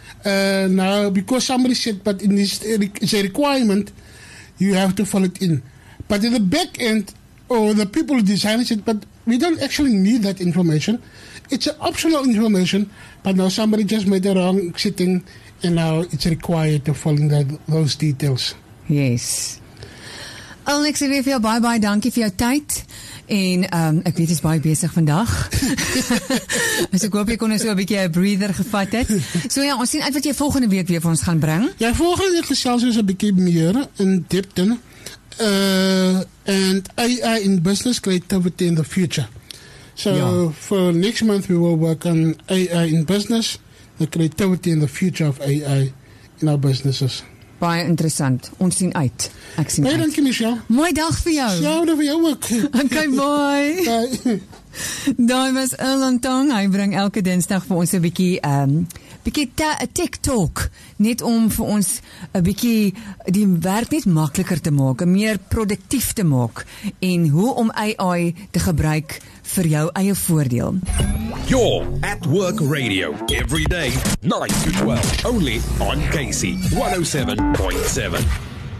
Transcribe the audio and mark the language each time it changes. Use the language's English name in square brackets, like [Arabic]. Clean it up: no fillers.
[English] Now, because somebody said, but in this, it's a requirement, you have to fill it in. But in the back end, or the people who designed it, but we don't actually need that information. It's optional information, but now somebody just made a wrong setting, and now it's required to fill in that, those details. Yes. [Afrikaans] Alex, ek sê vir jou baie baie dankie vir jou tyd en ek weet jy's baie besig vandag. So ek hoop jy kon ons so 'n bietjie 'n breather gevat het. So ja, ons sien uit wat jy volgende week weer vir ons gaan bring. Ja, volgende week gesels ons 'n bietjie meer [English] in depth in and AI in business creativity in the future. So for next month we will work on AI in business, the creativity and the future of AI in our businesses. [Afrikaans] Baie interessant. Ons sien uit. Ek sien baie dankie, Michelle. Mooi dag vir jou. Sjoude vir jou ook. Okay, boy. Daai was Alan Tong. Hy bring elke dinsdag vir ons 'n bietjie TikTok. Net om vir ons 'n bietjie die werk net makliker te maak, meer produktief te maak en hoe om AI te gebruik vir jou eie voordeel. [English] You're at work radio every day 9 to 12 only on KC 107.7.